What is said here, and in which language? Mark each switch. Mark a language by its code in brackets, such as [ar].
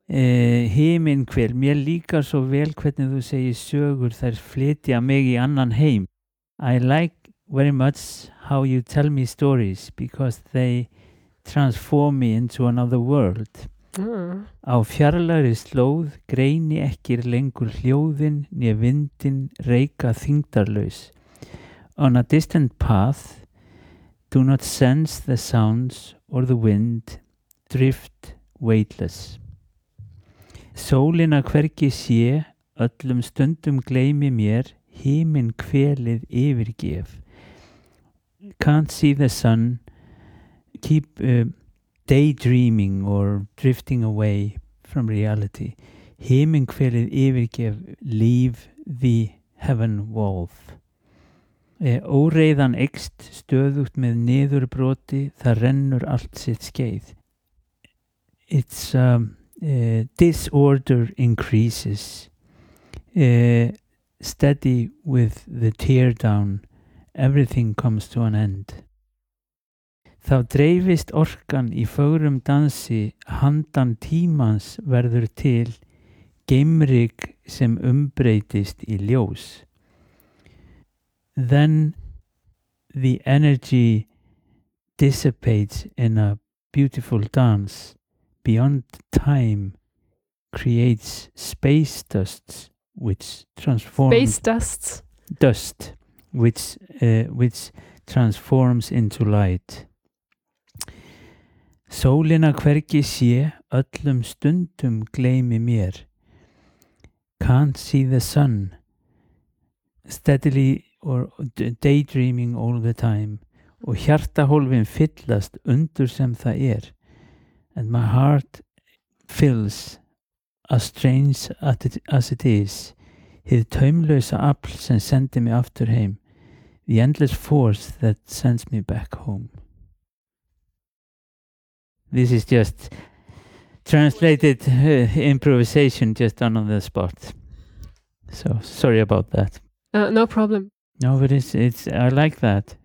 [is] Himinkvel, mér líkar svo vel hvernig þú segir sögur, þær flytja mig í annan heim. [en] I like very much how you tell me stories because they transform me into another world. [is] Á fjarlægri slóð greini ekki lengur hljóðin né vindin reika þyngdarlaus. [en] On a distant path, do not sense the sounds or the wind, drift weightless. [is] Sólina hvergi sé, öllum stundum gleymi mér, himinn kvelið yfirgef. [en] Can't see the sun, keep daydreaming or drifting away from reality. [is] Himinn kvelið yfirgef, [en] leave the heaven wolf. [is] Óreiðan eykst stöðugt með niðurbroti, það rennur allt sitt skeið. [en] It's disorder increases, steady with the tear down, everything comes to an end. [is] Þá dreifist orkan í fögrum dansi, handan tímans verður til, geimrik sem umbreytist í ljós. [en] Then the energy dissipates in a beautiful dance. Beyond time creates space dusts, which transform space dusts dust, which transforms into light. [is] Sólina hvergi sé, öllum stundum gleymi mér. [en] Can't see the sun. Steadily. Or daydreaming all the time. [is] Og hjartahólfin fyllast undur sem það er. [en] And my heart feels as strange as it is. [is] Hið taumlausa afl sem sendi mig aftur heim. [en] The endless force that sends me back home. This is just translated improvisation just done on the spot. So sorry about that. No problem. No, but it's I like that.